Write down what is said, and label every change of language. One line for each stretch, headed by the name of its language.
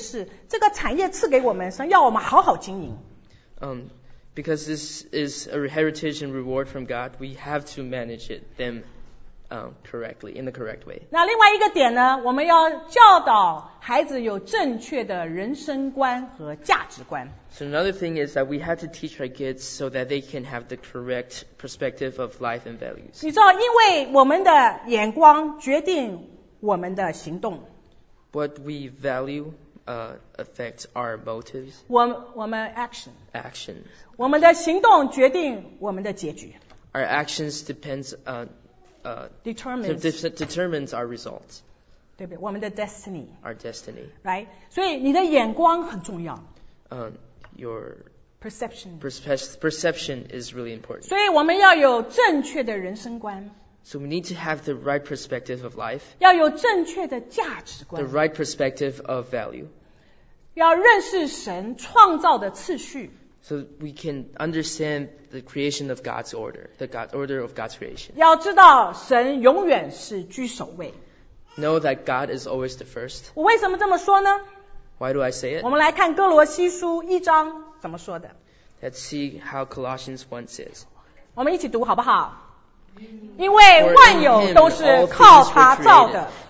Chinese: 那我们就求主帮助我们，因为主很看重这件事，这个产业赐给我们，神要我们好好经营。
English: Because this is a heritage and reward from God, we have to manage it them correctly, in the correct way.
Chinese: 那另外一个点呢，我们要教导孩子有正确的人生观和价值观。
English: So another thing is that we have to teach our kids so that they can have the correct perspective of life and values.
Chinese: 你知道，因为我们的眼光决定我们的行动。
English: What we value affects our motives.
Chinese: 我们 action.
English: Action.
Chinese: 我们的行动决定我们的结局。
English: Our actions depends determines our results.
Chinese: 对不对？我们的 destiny.
English: Our destiny.
Chinese: Right. 所以你的眼光很重要。
English: Your perception. Perception is really important.
Chinese: 所以我们要有正确的人生观。
English: So we need to have the right perspective of life.
Chinese: 要有正确的价值观。
English: The right perspective of value.
Chinese: 要认识神创造的次序。
English: So we can understand the creation of God's order, the God order of God's creation.
Chinese: 要知道神永远是居首位。
English: Know that God is always the first.
Chinese: 我为什么这么说呢？
English: Why do I say it?
Chinese: 我们来看哥罗西书一章怎么说的。
English: Let's see how Colossians 1 says.
Chinese: 我们一起读好不好？因为万有都是靠他造的。